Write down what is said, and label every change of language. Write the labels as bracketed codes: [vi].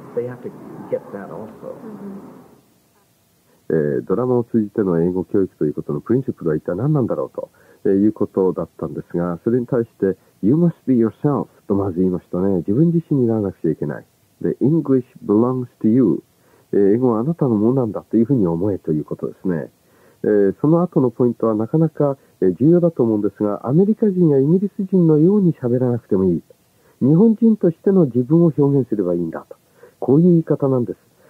[en] They have to get that also. Mm-hmm. [ja] ドラマを通じての英語教育ということのプリンシプルは一体何なんだろうと、いうことだったんですが、それに対して、 [en] You must be yourself [ja] とまず言いましたね。自分自身にならなくちゃいけない。 [en] The English belongs to you. [ja] 英語はあなたのものなんだというふうに思えということですね。その後のポイントはなかなか重要だと思うんですが、アメリカ人やイギリス人のように喋らなくてもいい。日本人としての自分を表現すればいいんだと。こういう言い方なんです。